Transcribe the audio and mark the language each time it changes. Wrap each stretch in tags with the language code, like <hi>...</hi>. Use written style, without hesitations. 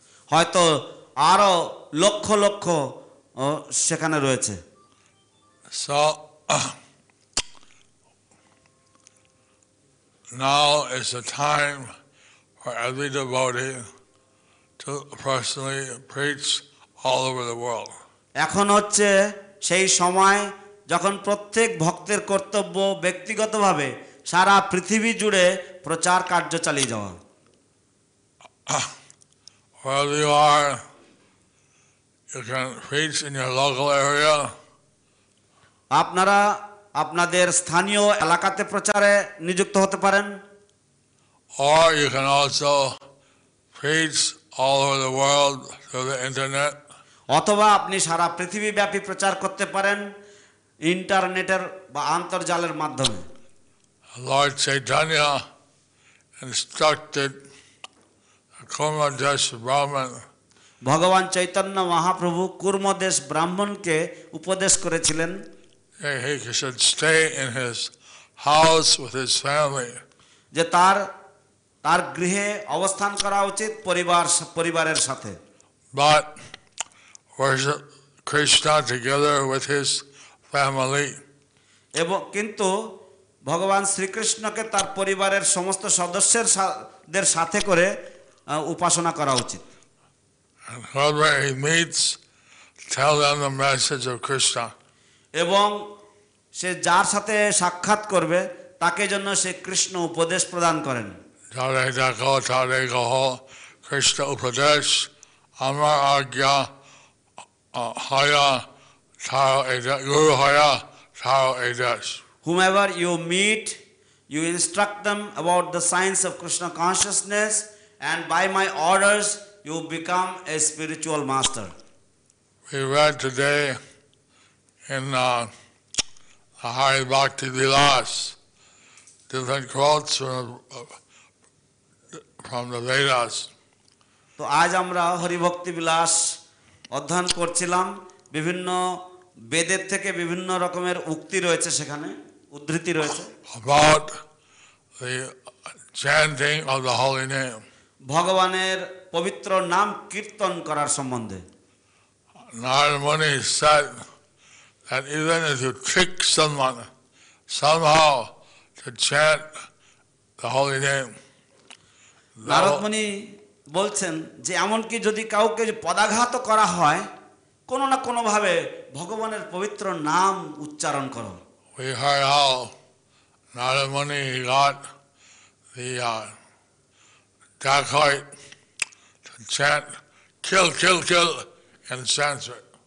<bn>Hoyto aro lokkho lokkho shekhane royeche.</bn> <en>So now is the time for every devotee to personally preach all over the world.</en> <bn>এখন হচ্ছে সেই সময় যখন প্রত্যেক ভক্তের কর্তব্য ব্যক্তিগতভাবে সারা পৃথিবী জুড়ে প্রচার কার্য চালিয়ে যাওয়া.</bn> <en>Wherever you are, you can preach in your local area.</en> <bn>আপনারা আপনাদের স্থানীয় এলাকাতে প্রচারে নিযুক্ত হতে পারেন.</bn> <en>Or you can also preach all over the world through the internet.</en> <bn>অথবা আপনি সারা পৃথিবীব্যাপী প্রচার করতে পারেন ইন্টারনেটের বা আন্তর্জালের মাধ্যমে.</bn> <en>Lord Chaitanya instructed Kurmadesh Brahman.</en> <bn>ভগবান চৈতন্য মহাপ্রভু কুর্মদেশ ব্রাহ্মণকে উপদেশ করেছিলেন.</bn> <en>He should stay in his house with his family.</en> <bn>যে তার গৃহে অবস্থান করা উচিত পরিবারের সাথে.</bn> <en>But worship Krishna together with his family.</en> <bn>এবং কিন্তু ভগবান শ্রীকৃষ্ণকে তার পরিবারের সমস্ত সদস্যদের সাথে করে উপাসনা করা উচিত.</bn> <en>And whoever he meets, tell them the message of Krishna.</en> <bn>এবং সে যার সাথে সাক্ষাৎ করবে তাকে জন্য সে কৃষ্ণ উপদেশ প্রদান করেন. Tare dako tare goho Krishna upadesh amar agya haya tharo edesh guru haya tharo edesh.</bn> <en>Whomever you meet, you instruct them about the science of Krishna consciousness, and by my orders you become a spiritual master. We read today in Hari Bhakti Vilas, different quotes from the Vedas.</en> <bn>So, আজ আমরা হরি ভক্তি বিলাস অধ্যয়ন করছিলাম বিভিন্ন বেদের থেকে বিভিন্ন রকমের উক্তি রয়েছে সেখানে উদ্ধৃতি রয়েছে.</bn> <en>About the chanting of the holy name.</en> <bn>ভগবানের পবিত্র নাম কীর্তন করার সম্বন্ধে.</bn> <en>Narada Muni said that even if you trick someone somehow to chant the holy name.</en> <bn>Narada Muni বলছেন যে এমনকি যদি কাউকে পদাঘাত করা হয় কোনো না কোনো ভাবে ভগবানের পবিত্র নাম উচ্চারণ করো.</bn> <en>We heard how Narada Muni got the dacoit to chant kill, kill, kill in Sanskrit.</en>